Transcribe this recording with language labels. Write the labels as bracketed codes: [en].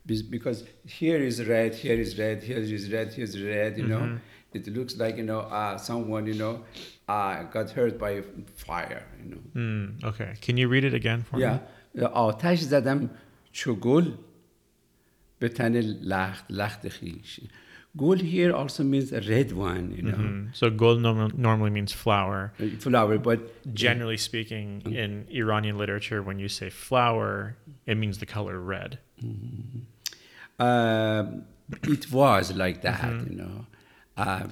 [en] Because here is red, here is red, here is red, here is red, you know. Mm-hmm. It looks like, you know, someone, you know, got hurt by fire, you know. Okay. Can you read it again for me? Yeah. [fa] آتش زدم چو گل به تن لخت لخت خیش. [en] Gul here also means a red one, you know. Mm-hmm. So gul normally means flower. Flower, but... Generally speaking, in Iranian literature, when you say flower, it means the color red. Mm-hmm. It was like that, mm-hmm. you know.